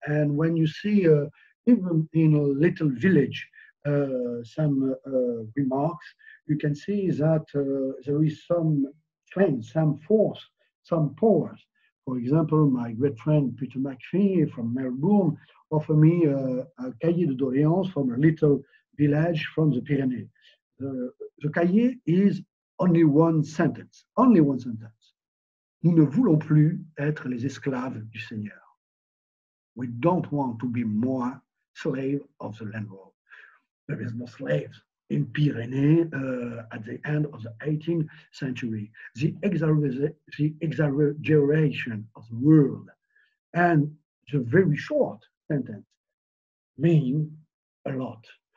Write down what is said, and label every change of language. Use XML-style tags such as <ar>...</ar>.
<en>And when you see even in a little village remarks, you can see that there is some strength, some force, some power. For example, my great friend Peter McPhee from Melbourne offered me a Cahiers de Doléances from a little village from the Pyrenees. The cahier is only one sentence, only one sentence.</en> <fr>Nous ne voulons plus être les esclaves du Seigneur.</fr> <en>We don't want to be more slaves of the landlord. There is no slaves in Pyrenees at the end of the 18th century. The exaggeration of the world and the very short sentence mean a lot.</en>